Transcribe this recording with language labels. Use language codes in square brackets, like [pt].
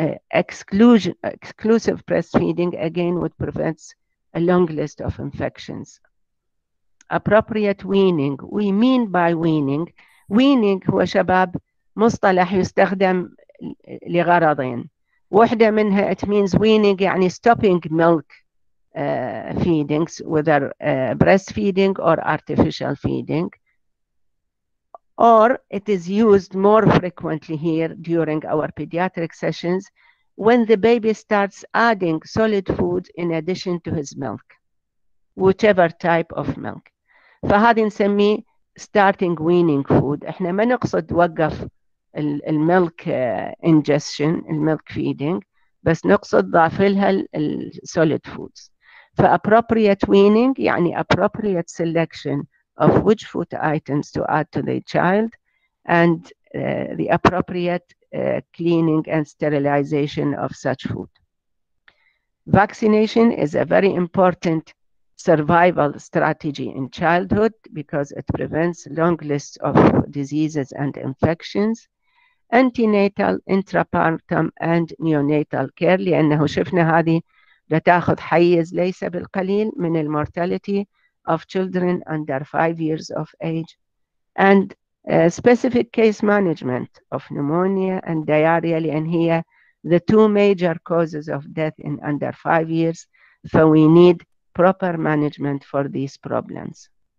[en] Exclusive breastfeeding again would prevent a long list of infections. Appropriate weaning. We mean by weaning. [ar] Weaning هو شباب مصطلح يستخدم لغرضين. واحدة منها [en] it means weaning [ar] يعني [en] stopping milk feedings whether breastfeeding or artificial feeding, or it is used more frequently here during our pediatric sessions when the baby starts adding solid food in addition to his milk, whichever type of milk. [ar] فهذه نسميه [en] starting weaning food. [ar] احنا ما نقصد وقف الميلك انجستشن الميلك فيدينج، بس نقصد ضاف لها السوليد فودز. [en] فابروبريت ويننج يعني ابروبريت سيلكشن اوف ويتش فود ايتمز تو اد تو ذا تشايلد اند ذا ابروبريت كليننج اند ستيريلايزيشن اوف ساتش فود. فاكسينيشن از ا فيري امبورتنت survival strategy in childhood because it prevents long lists of diseases and infections. Antenatal, intrapartum, and neonatal care, [ar] لأنه شفنا هذه بتاخذ حيز ليس بالقليل من المورتاليتي [en] of children under 5 years of age. And specific case management of pneumonia and diarrhea, [ar] لأن هي [en] the two major causes of death in under 5 years. So we need proper management for these problems.